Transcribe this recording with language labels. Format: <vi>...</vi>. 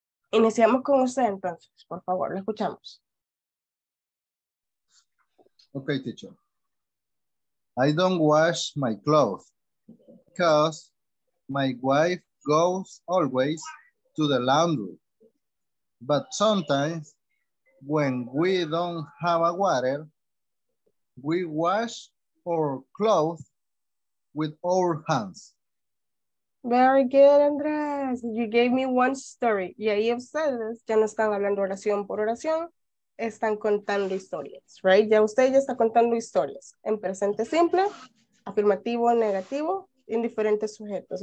<es>Iniciamos con usted entonces, por favor, lo escuchamos.</es> <en>Okay, teacher. I don't wash my clothes because my wife goes always to the laundry. But sometimes when we don't have a water, we wash our clothes with our hands. Very good, Andrés. You gave me one story.</en> <es>Y ahí ustedes ya no están hablando oración por oración. Están contando historias, right? Ya usted ya está contando historias. En presente simple, afirmativo, negativo, en diferentes sujetos.</es>